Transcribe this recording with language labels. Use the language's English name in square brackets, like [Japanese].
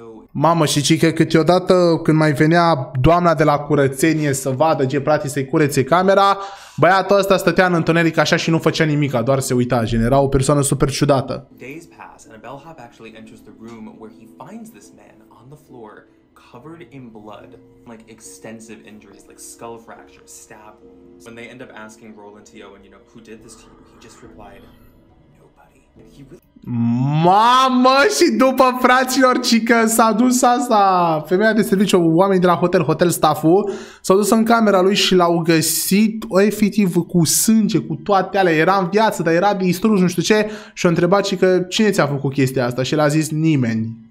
[Romanian] Mamă, și ci că câteodată când mai venea doamna de la curățenie să vadă ce practic să-i curețe camera, băiatul ăsta stătea în întuneric așa și nu făcea nimica, doar se uita, gen, era o persoană super ciudată. [English] Days pass and a bellhop actually enters the room where he finds this man on the floor covered in blood, like extensive injuries, like skull fractures, stab wounds. When they end up asking Roland T. Owen, you know, who did this to you, he just replied, nobody. [Romanian] Mamă, și după fraților, ci că s-a dus asta, femeia de serviciu, oameni de la hotel, hotel staff-ul, s-au dus în camera lui și l-au găsit efectiv cu sânge, cu toate alea, era în viață, dar era distrus, nu știu ce, și a întrebat și că cine ți-a făcut chestia asta și el a zis nimeni.